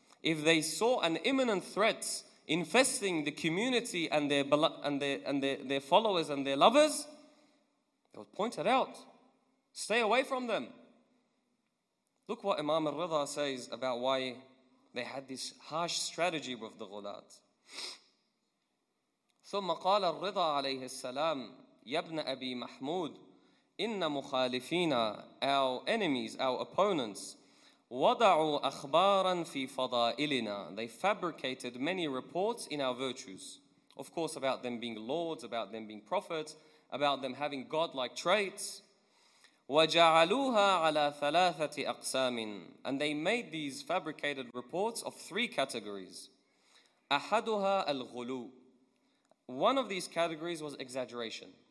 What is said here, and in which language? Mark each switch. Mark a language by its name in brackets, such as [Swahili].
[English] If they saw an imminent threat infesting the community and their followers and their lovers, they would point it out. Stay away from them. Look what Imam al-Ridha says about why they had this harsh strategy with the Ghulat. [Arabic] ثُمَّ قَالَ الرِّضَى عَلَيْهِ السَّلَامُ يَبْنَ أَبِي مَحْمُودٍ إِنَّ مُخَالِفِينَ [English] our enemies, our opponents, [Arabic] وَضَعُوا أَخْبَارًا فِي فَضَائِلِنَا [English] they fabricated many reports in our virtues. Of course, about them being lords, about them being prophets, about them having godlike traits. [Arabic] وَجَعَلُوهَا عَلَى ثَلَاثَةِ أَقْسَامٍ [English] and they made these fabricated reports of three categories. [Arabic] أَحَدُهَا الْغُلُو [English] one of these categories was exaggeration.